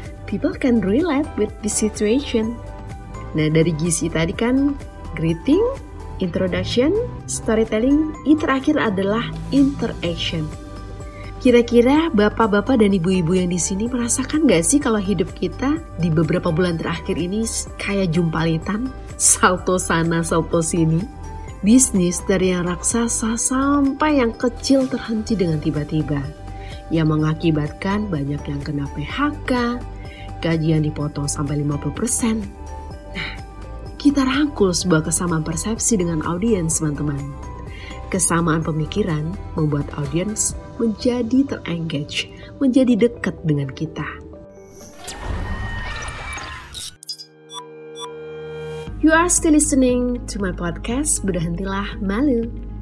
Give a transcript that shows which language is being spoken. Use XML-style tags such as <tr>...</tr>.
<en>People can relate with the situation.</en> <id>Nah dari gizi tadi kan, greeting, introduction, storytelling, yang terakhir adalah interaction. Kira-kira bapak-bapak dan ibu-ibu yang di sini merasakan gak sih kalau hidup kita di beberapa bulan terakhir ini kayak jumpalitan, salto sana, salto sini. Bisnis dari yang raksasa sampai yang kecil terhenti dengan tiba-tiba. Yang mengakibatkan banyak yang kena PHK, gaji yang dipotong sampai 50%. Nah, kita rangkul sebuah kesamaan persepsi dengan audiens, teman-teman. Kesamaan pemikiran membuat audiens menjadi terengage, menjadi dekat dengan kita.</id> <en>You are still listening to my podcast, Berhentilah Malu.</en>